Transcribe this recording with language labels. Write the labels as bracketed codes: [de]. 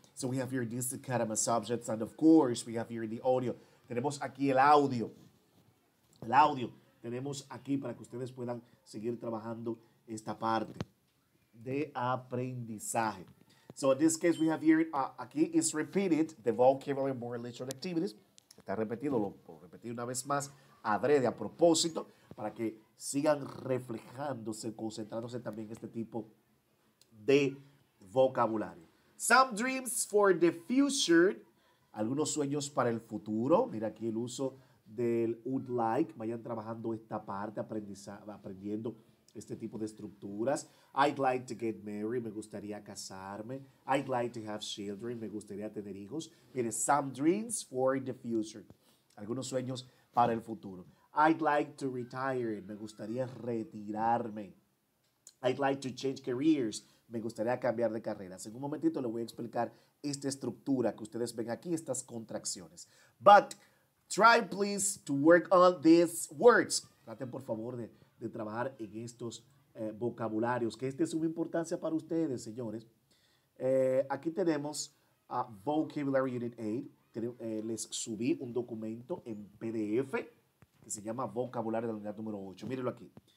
[en] So we have here these academic subjects, and of course, we have here the audio. [es] Tenemos aquí el audio. El audio. Tenemos aquí para que ustedes puedan seguir trabajando esta parte de aprendizaje. [en] So in this case, we have here, aquí is repeated, the vocabulary and more literal activities. [es] Está repetido, lo puedo repetir una vez más, adrede, a propósito, para que sigan reflejándose, concentrándose también en este tipo de vocabulario. [en] Some dreams for the future. [es] Algunos sueños para el futuro. Mira aquí el uso del would like. Vayan trabajando esta parte, aprendiendo este tipo de estructuras. [en] I'd like to get married. [es] Me gustaría casarme. [en] I'd like to have children. [es] Me gustaría tener hijos. Mire, [en] some dreams for the future. [es] Algunos sueños para el futuro. [en] I'd like to retire. [es] Me gustaría retirarme. [en] I'd like to change careers. [es] Me gustaría cambiar de carrera. En un momentito le voy a explicar esta estructura que ustedes ven aquí, estas contracciones. [en] But try please to work on these words. [es] Traten por favor de trabajar en estos vocabularios, que este es una importancia para ustedes, señores. Aquí tenemos Vocabulary Unit 8. Les subí un documento en PDF que se llama Vocabulario de la Unidad número 8. Mírenlo aquí.